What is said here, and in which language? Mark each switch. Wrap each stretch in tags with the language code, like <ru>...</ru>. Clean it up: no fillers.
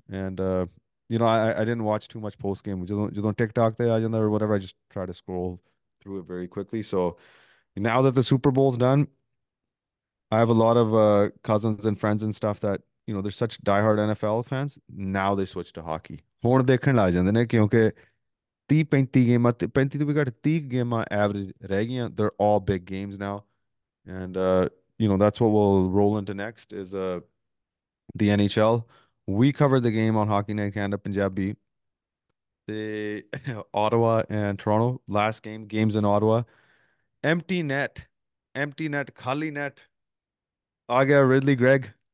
<en>And I didn't watch too much post game. Just on TikTok the agenda or whatever. I just try to scroll through it very quickly. So now that the Super Bowl's done, I have a lot of cousins and friends and stuff that they're such diehard NFL fans. Now they switch to hockey.</en> <pa>ਹੁਣ ਦੇਖਣ ਲੱਗ ਜਾਂਦੇ ਨੇ ਕਿਉਂਕਿ 30-35 ਗੇਮਾਂ 35 ਤੋਂ ਵੀ ਘੱਟ 30 ਗੇਮਾਂ ਐਵਰੇਜ ਰਹਿ ਗਈਆਂ.</pa> <en>They are all big games now. And that's what we'll roll into next is the NHL. We covered the game on Hockey Night Canada Punjabi. The Ottawa and Toronto last games in Ottawa. Empty net, khali net. I got Ridly Gregg.</en>